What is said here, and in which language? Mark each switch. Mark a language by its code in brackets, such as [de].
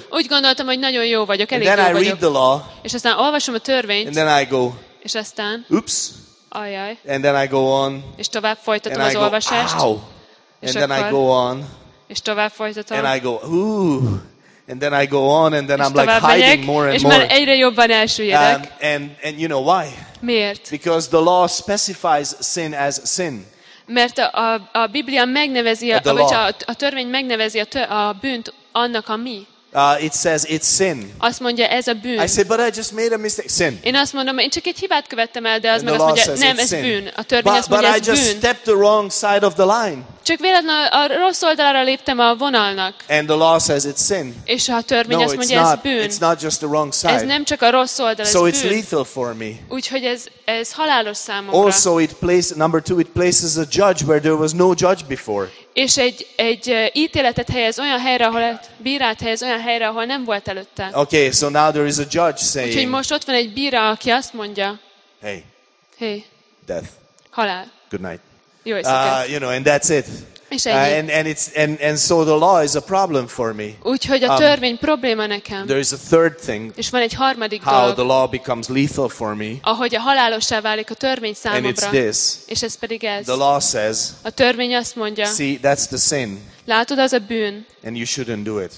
[hu] Úgy gondoltam, hogy nagyon jó vagyok, elég jó vagyok. [en] And then I read the law, [hu] és aztán olvasom a törvényt, [en] and then I go, [hu] és aztán, [en] oops, [hu] ajaj, [en] and then I go on, [hu] és tovább folytatom az olvasást, [en] ow, and then I go on, [hu] és tovább folytatom, [en] and I go, ooh, and then I go on, and then I'm like hiding more and more. [hu] És már egyre jobban elsüllyedek. [en] And you know why? [hu] Miért? [en] Because the law specifies sin as sin. [hu] Mert a Biblia megnevezi, vagy a törvény megnevezi a bűnt annak a mi. [en] It says it's sin. [hu] Azt mondja, ez a bűn. [en] I said, but I just made a mistake. Sin. [hu] Én azt mondom, én csak egy hibát követtem el, de az meg azt mondja, nem, ez bűn. A törvény azt mondja, ez bűn. [en] But I just stepped the wrong side of the line. [hu] Csak véletlenül a rossz oldalára léptem a vonalnak. [en] And the law says it's sin. [hu] És a törvény azt mondja, ez bűn. [en] It's not just the wrong side. [hu] Ez nem csak a rossz oldal, ez bűn. [en] So it's lethal for me. [hu] Úgyhogy ez halálos számomra. [en] Also, it places number two. It places a judge where there was no judge before. [hu] És egy ítéletet helyez olyan helyre, ahol bírát helyez olyan helyre, ahol nem volt előtte. [en] Okay, so now there is a judge saying. [hu] Úgyhogy most ott van egy bíra, aki azt mondja. Hey. Hey. [en] Death. [hu] Halál. [en] Good night. [hu] Jó éjszakát. [en] You know, and that's it. And so the law is a problem for me. [hu] Úgyhogy a törvény probléma nekem. [en] There is a third thing. [hu] És van egy harmadik [en] how [hu] dolog. [en] The law becomes lethal for me. [hu] Ahogy a halálossá válik a törvény számomra. [en] And it's this. [hu] És ez pedig ez. [en] The law says. [hu] A törvény azt mondja. [en] See, that's the sin. [hu] Látod, az a bűn. [en] And you shouldn't do it.